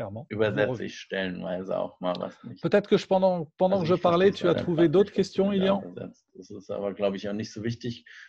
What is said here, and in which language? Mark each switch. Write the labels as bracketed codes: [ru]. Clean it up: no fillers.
[de] Übersetze ich stellenweise auch mal was nicht. [fr] Peut-être que je, pendant que je parlais, tu as trouvé d'autres questions, Ilian? [de] Das ist aber, glaube ich, auch nicht so wichtig.